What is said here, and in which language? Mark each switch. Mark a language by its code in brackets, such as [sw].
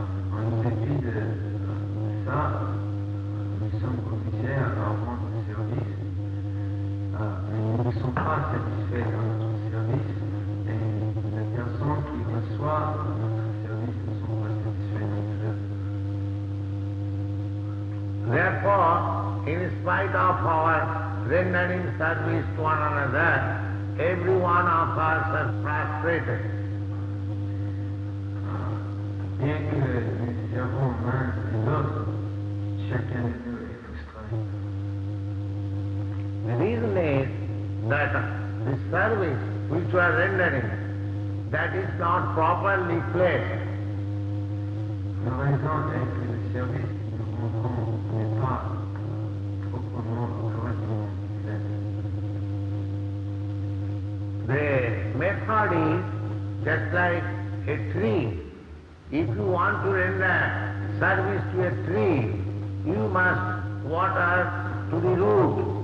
[fr] En dépit de ça, nous sommes obligés à rendre service, mais nous ne sommes pas satisfaits dans notre service, et les personnes qui reçoivent notre service ne sont pas satisfaits non plus. [en] Therefore, in spite of our rendering service to one another, every one of us are frustrated. [fr] Bien que nous servons l'un et l'autre, chacun de nous est frustré. [en] The reason is that the service which we are rendering, that is not properly placed. [fr] La raison est que le service que nous rendons n'est pas proprement correctement fait. [en] The method is just like a tree. If you want to render service to a tree, you must water to the root.